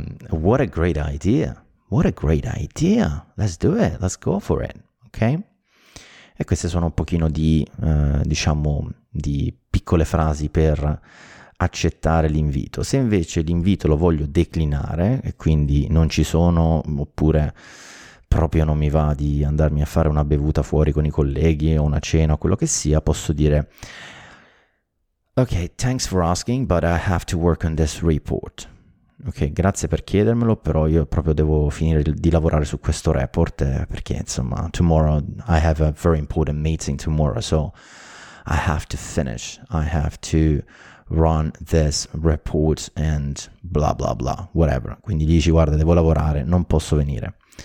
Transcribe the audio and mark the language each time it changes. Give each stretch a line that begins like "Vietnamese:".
English: What a great idea, what a great idea, let's do it, let's go for it, ok?
Italian: E queste sono un pochino di, diciamo, di piccole frasi per accettare l'invito. Se invece l'invito lo voglio declinare e quindi non ci sono, oppure proprio non mi va di andarmi a fare una bevuta fuori con i colleghi o una cena o quello che sia, posso dire,
English: ok, thanks for asking, but I have to work on this report.
Italian: Ok, grazie per chiedermelo, però io proprio devo finire di lavorare su questo report, perché insomma,
English: tomorrow I have a very important meeting tomorrow, so I have to finish. I have to run this report and blah blah blah, whatever.
Italian: Quindi dici, guarda, devo lavorare, non posso venire.